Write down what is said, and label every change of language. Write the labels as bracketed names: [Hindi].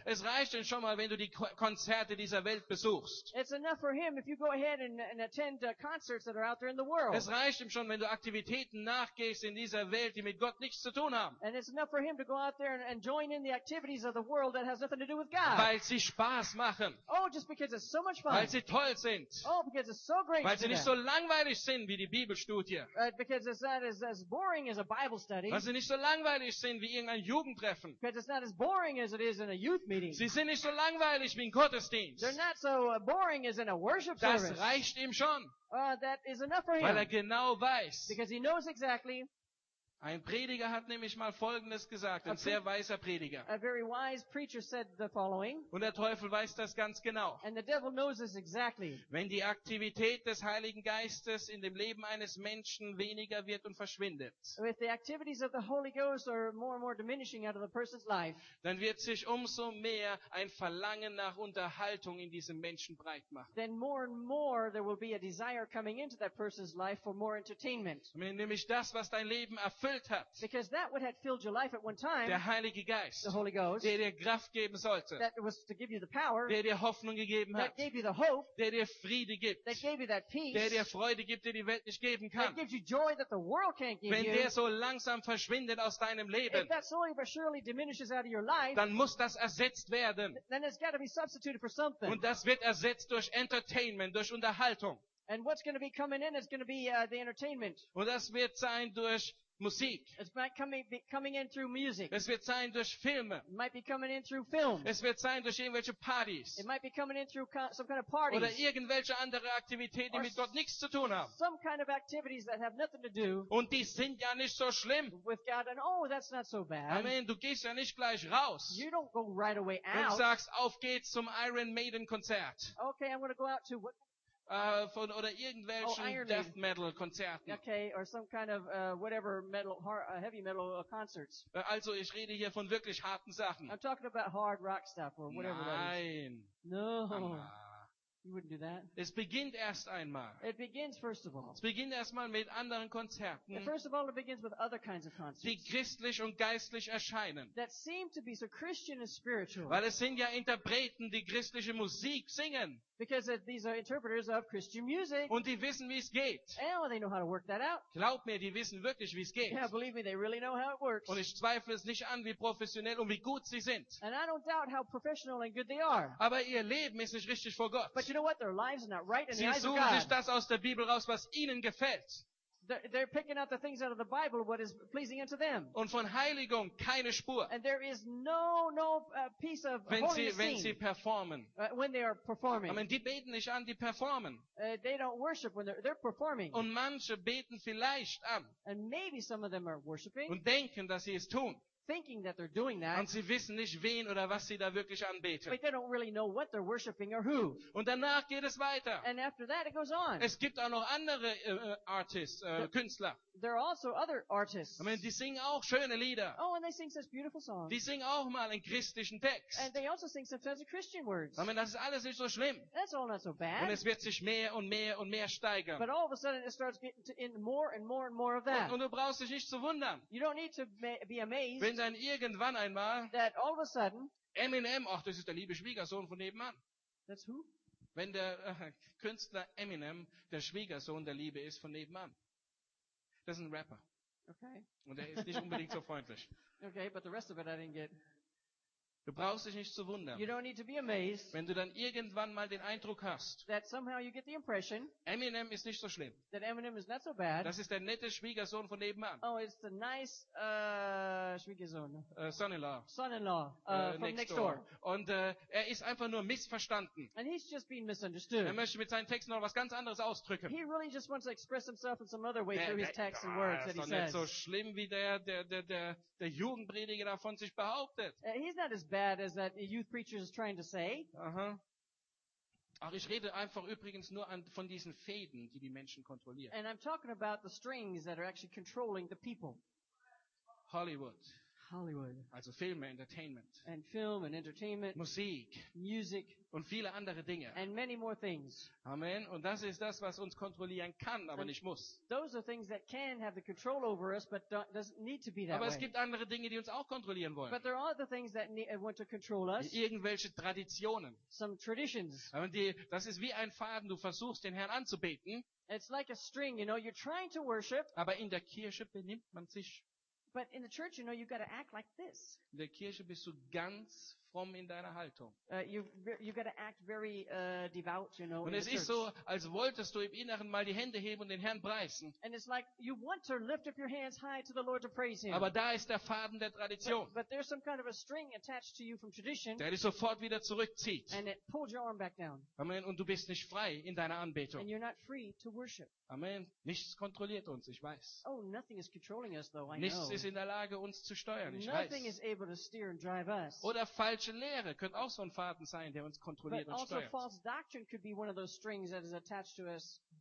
[German] Es reicht ihnen schon mal, wenn du die Konzerte dieser Welt besuchst. [English] It's enough for him if you go ahead and attend concerts that are out there in the world. [German] Es reicht ihm schon, wenn du Aktivitäten nachgehst in dieser Welt, die mit Gott nichts zu tun haben. [English] And it's enough for him to go out there and join in the activities of the world that has nothing to do with God. [German] Weil sie Spaß machen. [English] Oh, just because it's so much fun. [German] Weil sie toll sind. [English] Oh, because it's so great. [German] Weil sie nicht so langweilig sind wie die Bibelstudie. [English] Because it's not as boring as a Bible study. [German] Weil sie nicht so langweilig sind wie irgendein Jugendtreffen. [English] Because it's not as boring as it is in a youth meeting. [German] Sie sind nicht so langweilig wie ein Gottesdienst. [English] They're not so boring as in a worship [German] das Das reicht ihm schon. [English] That is enough for him. [German] Weil er genau weiß. [English] Because he knows exactly. [German] Ein Prediger hat nämlich mal Folgendes gesagt, ein sehr weiser Prediger. [English] A very wise preacher said the following. [German] Und der Teufel weiß das ganz genau. [English] And the devil knows this exactly. [German] Wenn die Aktivität des Heiligen Geistes in dem Leben eines Menschen weniger wird und verschwindet, [English] if the activities of the Holy Ghost are more and more diminishing out of the person's life, [German] dann wird sich umso mehr ein Verlangen nach Unterhaltung in diesem Menschen breit machen. [English] Then more and more there will be a desire coming into that person's life for more entertainment. [German] Nämlich das, was dein Leben erfüllt. [English] Because that would have filled your life at one time. [German] Der Heilige Geist, [English] the Holy Ghost, [German] der dir Kraft geben sollte, [English] that was to give you the power, [German] der dir Hoffnung gegeben hat, [English] that gave you the hope, [German] der dir Friede gibt, [English] that gave you that peace, [German] der dir Freude gibt, die die Welt nicht geben kann, [English] that gives you joy that the world can't give [German] wenn [English] you, [German] der so langsam verschwindet aus deinem Leben, [English] if that slowly but surely diminishes out of your life, [German] dann muss das ersetzt werden. [English] Then it's got to be substituted for something. [German] Und das wird ersetzt durch Entertainment, durch Unterhaltung. [English] And what's going to be coming in is going to be the entertainment. [German] Und das wird sein durch Musik. [English] It might be coming in through music. [German] Es wird sein durch Filme. [English] It might be coming in through films. [German] Es wird sein durch irgendwelche Partys. [English] It might be coming in through some kind of parties. [German] Oder irgendwelche andere Aktivitäten, die mit Gott nichts zu tun haben. [English] Some kind of activities that have nothing to do. [German] Und die sind ja nicht so schlimm. [English] With God and oh, that's not so bad. [German] Amen. Du gehst ja nicht gleich raus. [English] You don't go right away out. [German] Und sagst, auf geht's zum Iron Maiden Konzert. [English] Okay, I'm going to go out to what? [German] Von oder irgendwelchen Death Metal Konzerten. [English] Okay, or some kind of whatever metal, heavy metal concerts. [German] Also ich rede hier von wirklich harten Sachen. [English] I'm talking about hard rock stuff or whatever. [German] Nein. [English] No. You wouldn't do that. [German] Es beginnt erst einmal. [English] It begins first of all. [German] Es beginnt erstmal mit anderen Konzerten. [English] And first of all, it begins with other kinds of concerts. [German] Die christlich und geistlich erscheinen. [English] That seem to be so Christian and spiritual. [German] Weil es sind ja Interpreten, die christliche Musik singen. [English] Because these are interpreters of Christian music. [German] Und die wissen, wie es geht. [English] And they know how to work that out. [German] Glaub mir, die wissen wirklich, wie es geht. [English] Yeah, believe me, they really know how it works. [German] Und ich zweifle es nicht an, wie professionell und wie gut sie sind. [English] And I don't doubt how professional and good they are. [German] Aber ihr Leben ist nicht richtig vor Gott. [English] But you know what? Their lives are not right in [German] sie [English] the eyes of God. [German] Sie suchen sich das aus der Bibel raus, was ihnen gefällt. [English] They're picking out the things out of the Bible what is pleasing unto them. [German] Und von Heiligung keine Spur. [English] And there is no piece of holiness seen. [German] Wenn sie performen. [English] When they are performing. [German] Aber die beten nicht an, die performen. [English] They don't worship when they're performing. [German] Und manche beten vielleicht an. [English] And maybe some of them are worshiping. [German] Und denken, dass sie es tun. [English] Thinking that they're doing that. [German] Und sie wissen nicht, wen oder was sie da wirklich anbeten. [English] But they don't really know what they're worshiping or who. [German] Und danach geht es weiter. [English] And after that it goes on. [German] Es gibt auch noch andere Künstler. [English] There are also other artists. I mean, [German] die singen auch schöne Lieder. [English] Oh, and they sing such beautiful songs. [German] Die singen auch mal einen christlichen Text. [English] And they also sing sometimes Christian words. I mean, [German] das ist alles nicht so schlimm. [English] That's all not so bad. [German] Und es wird sich mehr und mehr und mehr steigern. [English] But all of a sudden it starts getting to in more and more and more of that. [German] Und du brauchst dich nicht zu wundern. [English] You don't need to be amazed. [German] Wenn dann irgendwann einmal [English] that all of a sudden [German] Eminem, ach, das ist der liebe Schwiegersohn von nebenan. [English] That's who? [German] wenn der Künstler Eminem der Schwiegersohn der Liebe ist von nebenan. Das ist ein Rapper. [English] Okay. [German] Und er ist nicht unbedingt so freundlich. [English] Okay, but the rest of it I didn't get. [German] Du brauchst dich nicht zu wundern. [English] You don't need to be amazed, [German] wenn du dann irgendwann mal den Eindruck hast, [English] that somehow you get the impression, [German] Eminem ist nicht so schlimm. [English] That Eminem is not so bad. [German] Das ist der nette Schwiegersohn von nebenan. [English] Oh, it's the nice Schwiegersohn. Son-in-law. From next door. [German] Und er ist einfach nur missverstanden. [English] And he's just being misunderstood. [German] Er möchte mit seinen Texten noch was ganz anderes ausdrücken. [English] He really just wants to express himself in some other way through his text and words that he says. [German] Er ist nicht so schlimm wie der Jugendprediger davon sich behauptet. [English] He's not as bad as that youth preacher is trying to say. [German] Ach, ich rede einfach übrigens nur von diesen Fäden, die die Menschen kontrollieren. [English] And I'm talking about the strings that are actually controlling the people. [German] Hollywood. Also Filme, Entertainment. [English] And film and entertainment. [German] Musik. [English] Music. [German] Und viele andere Dinge. [English] And many more things. Amen. [German] Und das ist das, was uns kontrollieren kann, aber nicht muss. [English] Those are things that can have the control over us, but doesn't need to be that way. [German] Aber es gibt andere Dinge, die uns auch kontrollieren wollen. [English] But there are other things that want to control us. [German] Irgendwelche Traditionen. [English] Some traditions. [German] Und das ist wie ein Faden, du versuchst, den Herrn anzubeten. [English] It's like a string, you know, you're trying to worship. [German] Aber in der Kirche benimmt man sich. [English] But in the church, you know, you've got to act like this. [German] In der Kirche bist du ganz fromm in deiner Haltung. [English] You've got to act very devout, you know. [German] Und es ist so, als wolltest du im Inneren mal die Hände heben und den Herrn preisen. [English] And it's like you want to lift up your hands high to the Lord to praise Him. [German] Aber da ist der Faden der Tradition. [English] But there's some kind of a string attached to you from tradition. [German] Der dich sofort wieder zurückzieht. [English] And it pulls your arm back down. Amen. [German] Und du bist nicht frei in deiner Anbetung. [English] And you're not free to worship. [German] Amen. Nichts kontrolliert uns, ich weiß. [English] Oh, nothing is controlling us, though, I [German] Nichts [English] know. [German] Ist in der Lage, uns zu steuern, ich [English] nothing [German] weiß. [English] Is able to steer and drive us. [German] Oder falsche Lehre könnte auch so ein Faden sein, der uns kontrolliert [English] But [German] und steuert. [English] Also false doctrine could be one of those strings that is attached to us.